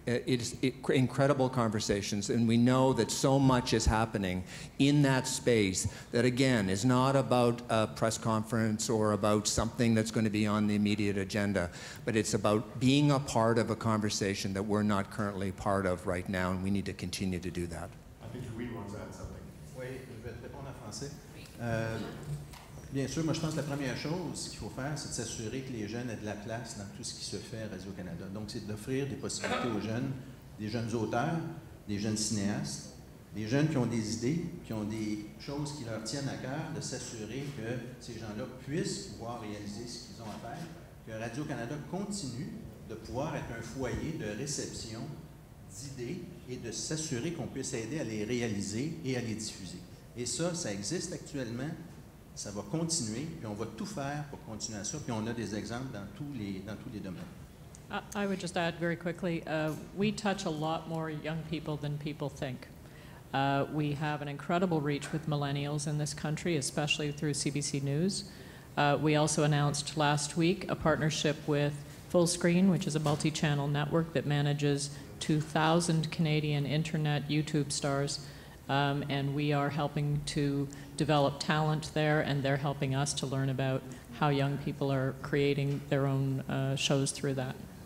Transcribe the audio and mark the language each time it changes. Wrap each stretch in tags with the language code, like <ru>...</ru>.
<en>It's incredible conversations, and we know that so much is happening in that space that, again, is not about a press conference or about something that's going to be on the immediate agenda, but it's about being a part of a conversation that we're not currently part of right now, and we need to continue to do that.</en> <fr>Oui, je vais te répondre en français. Bien sûr, moi, je pense que la première chose qu'il faut faire, c'est de s'assurer que les jeunes aient de la place dans tout ce qui se fait à Radio-Canada. Donc, c'est d'offrir des possibilités aux jeunes, des jeunes auteurs, des jeunes cinéastes, des jeunes qui ont des idées, qui ont des choses qui leur tiennent à cœur, de s'assurer que ces gens-là puissent pouvoir réaliser ce qu'ils ont à faire, que Radio-Canada continue de pouvoir être un foyer de réception d'idées et de s'assurer qu'on puisse aider à les réaliser et à les diffuser. Et ça, ça existe actuellement, ça va continuer, puis on va tout faire pour continuer à ça, puis on a des exemples dans tous les domaines.</fr> <en>I would just add very quickly, we touch a lot more young people than people think. We have an incredible reach with millennials in this country, especially through CBC News. We also announced last week a partnership with Fullscreen, which is a multi-channel network that manages 2,000 Canadian internet YouTube stars, and we are helping to develop talent there, and they're helping us to learn about how young people are creating their own shows through that.</en>